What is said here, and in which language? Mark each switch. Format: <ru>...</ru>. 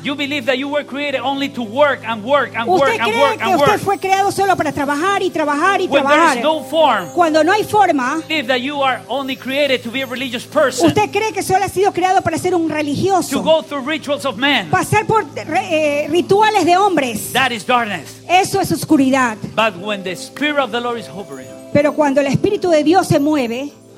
<en>you believe that you were created only to work and work and</en> <es>usted</es> <en>work</en> <es>que</es> <en>and</en> <es>usted</es> <en>work.</en> <es>Fue creado solo para trabajar y trabajar y</es> <en>when</en> <es>trabajar.</es> <en>There is no form,</en> <es>cuando no hay forma,</es> <en>you believe that you are only created to be a religious person.</en> <es>Usted cree que solo ha sido creado para ser un religioso.</es> <en>To go through rituals of men.</en> <es>Pasar por rituales de hombres.</es> <en>That is darkness.</en> <es>Eso es oscuridad.</es> <en>But when the spirit of the Lord is hovering.</en> <es>Pero cuando el espíritu de Dios se mueve.</es>